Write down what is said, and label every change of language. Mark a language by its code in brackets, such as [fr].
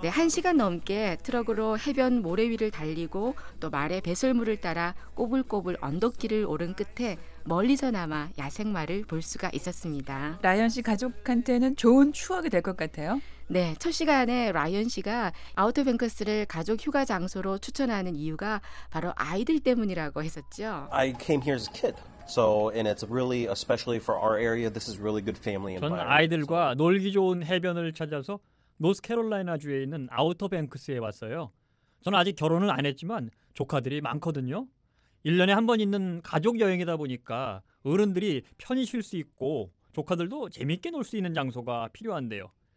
[ko] 네, 한 시간 넘게 트럭으로 해변 모래 위를 달리고 또 말의 배설물을 따라 꼬불꼬불 언덕길을 오른 끝에 멀리서나마 야생 말을 볼 수가 있었습니다. 라이언 씨 가족한테는 좋은 추억이 될 것 같아요. 네, 첫 시간에 라이언 씨가 아우터뱅크스를 가족 휴가 장소로 추천하는 이유가 바로 아이들 때문이라고 했었죠. [en] I came here as a kid. So and it's really especially for our area. This is really good family environment. [ko] 저는 아이들과 놀기 좋은 해변을 찾아서 노스캐롤라이나 주에 있는 아우터뱅크스에 왔어요. 저는 아직 결혼을 안 했지만 조카들이 많거든요. 1년에 한 번 있는 가족 여행이다 보니까 어른들이 편히 쉴 수 있고 조카들도 재밌게 놀 수 있는 장소가 필요한데요.